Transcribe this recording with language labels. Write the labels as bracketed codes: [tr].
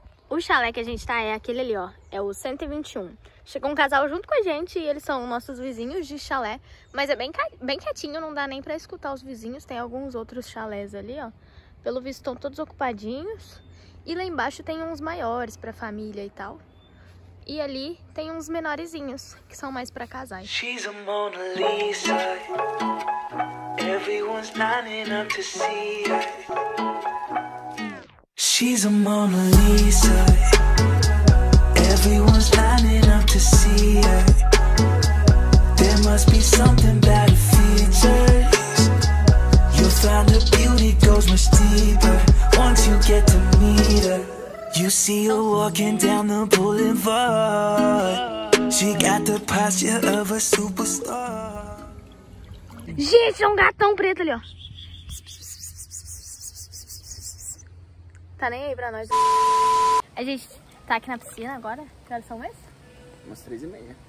[pt] O chalé que a gente tá é aquele ali, ó. É o 121. Chegou um casal junto com a gente e eles são nossos vizinhos de chalé. Mas é bem quietinho, não dá nem pra escutar os vizinhos. Tem alguns outros chalés ali, ó. Pelo visto estão todos ocupadinhos. E lá embaixo tem uns maiores pra família e tal. E ali tem uns menorezinhos, que são mais pra casais. [en] She's a Mona Lisa. Everyone's lining up to see her. She's a Mona Lisa. Everyone's lining up to see her. There must be something about her features. You'll find her beauty goes much deeper once you get to meet her. You see her walking down the boulevard. She got the posture of a superstar. [pt] Gente, é um gatão preto ali, ó. tá nem aí pra nós. A gente tá aqui na piscina agora. Que horas são mais? Umas 3h30.